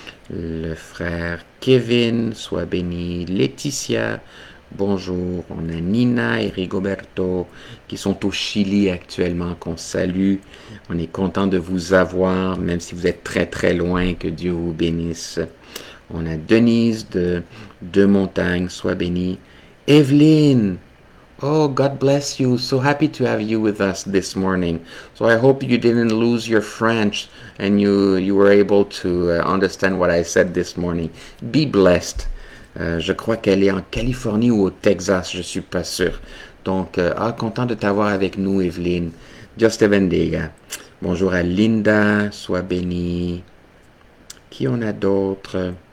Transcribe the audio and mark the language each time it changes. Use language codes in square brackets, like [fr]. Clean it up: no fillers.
[fr] Le frère Kevin, sois béni. Laetitia, bonjour. On a Nina et Rigoberto qui sont au Chili actuellement, qu'on salue. On est content de vous avoir, même si vous êtes très très loin, que Dieu vous bénisse. On a Denise de Deux Montagnes, sois béni. [en] Evelyn, oh God bless you, so happy to have you with us this morning. So I hope you didn't lose your French and you were able to understand what I said this morning. Be blessed. [fr] Je crois qu'elle est en Californie ou au Texas, je ne suis pas sûr. Donc, content de t'avoir avec nous, Evelyn. [es] Dios te bendiga. [fr] Bonjour à Linda, sois bénie. Qui on a d'autres?